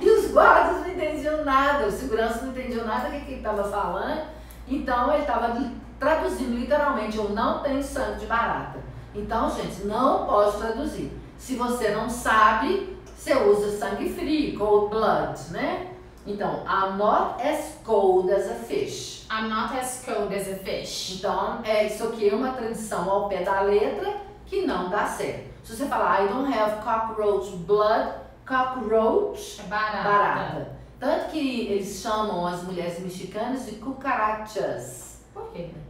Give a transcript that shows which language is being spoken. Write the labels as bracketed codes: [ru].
[pt] E os guardas não entendiam nada, o segurança não entendeu nada do que ele estava falando. Então, ele estava traduzindo literalmente, eu não tenho sangue de barata. Então, gente, não posso traduzir. Se você não sabe, você usa sangue frio, [en] cold blood, [pt] né? Então, [en] I'm not as cold as a fish. I'm not as cold as a fish. [pt] Então, é isso aqui, uma tradução ao pé da letra que não dá certo. Se você falar, [en] I don't have cockroach blood, cockroach [pt] é barata. Barata. Tanto que eles chamam as mulheres mexicanas de cucarachas. Por quê?